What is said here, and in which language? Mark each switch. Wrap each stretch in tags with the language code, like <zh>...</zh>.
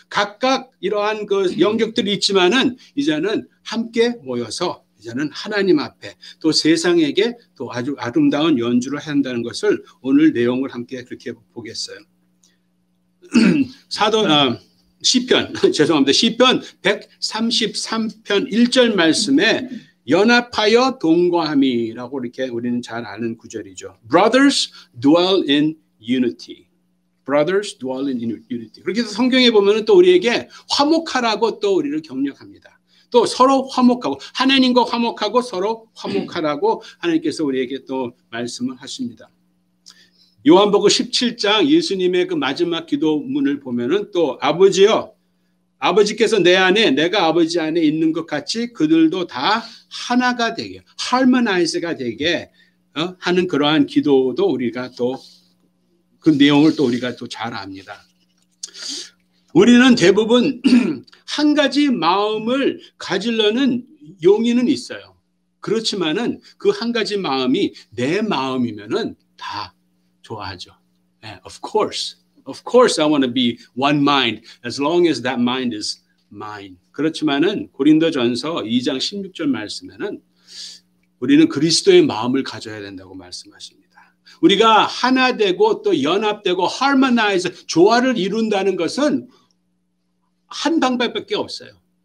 <ko>각각 이러한 그 영역들이 있지만은 이제는 함께 모여서 이제는 하나님 앞에 또 세상에게 또 아주 아름다운 연주를 한다는 것을 오늘 내용을 함께 그렇게 보겠어요. 시편 133편 1절 말씀에 연합하여 동거함이라고 이렇게 우리는 잘 아는 구절이죠.</ko> <en>Brothers dwell in unity. Brothers dwell in unity.</en> <ko>그렇게 해서 성경에 보면 또 우리에게 화목하라고 또 우리를 격려합니다. 또 서로 화목하고 하나님과 화목하고 서로 화목하라고 하나님께서 우리에게 또 말씀을 하십니다. 요한복음 17장 예수님의 그 마지막 기도문을 보면은 또 아버지여 아버지께서 내 안에 내가 아버지 안에 있는 것 같이 그들도 다 하나가 되게 harmonize가 되게 하는 그러한 기도도 우리가 또 그 내용을 또 우리가 또 잘 압니다. 우리는 대부분 한 가지 마음을 가지려는 용의는 있어요. 그렇지만은 그 한 가지 마음이 내 마음이면은 다 좋아하죠.</ko> <en>Of course. Of course, I want to be one mind as long as that mind is mine.</en> <ko>그렇지만은 고린도전서 2장 16절 말씀에는 우리는 그리스도의 마음을 가져야 된다고 말씀하십니다. 우리가 하나 되고 또 연합되고 harmonize, 조화를 이룬다는 것은 한 방법밖에 없어요.</ko>